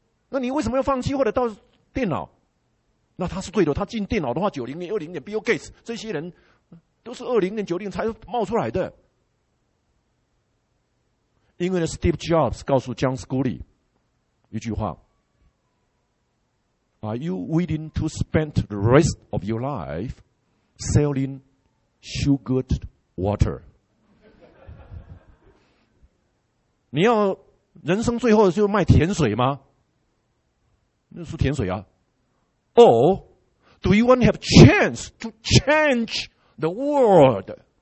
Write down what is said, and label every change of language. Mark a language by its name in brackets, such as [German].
[Chinese] 那你为什么要放弃或者到电脑？那他是对的，他进电脑的话，90年、20年 ，Bill Gates 这些人都是20年、90年才冒出来的。因为呢 ，Steve Jobs 告诉 John Sculley 一句话。 [English] Are you willing to spend the rest of your life selling sugared water? [Chinese] 你要人生最后就卖甜水吗？那是甜水啊。 [English] Or do you want to have chance to change the world?